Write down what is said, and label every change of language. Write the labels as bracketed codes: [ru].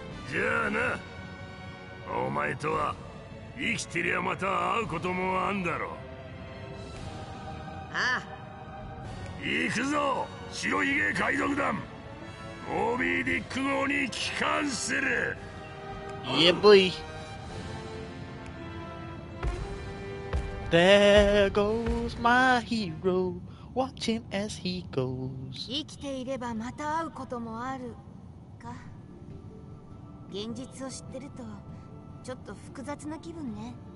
[ja] じゃあな、お前とは生きてりゃまた会うこともあんだろう。ああ、行くぞ、白ひげ海賊団。モビーディック号に帰還する。イエブイ。 [en] There goes my hero, watching as he goes. [ja] 生きていればまた会うこともあるか。現実を知ってるとちょっと複雑な気分ね。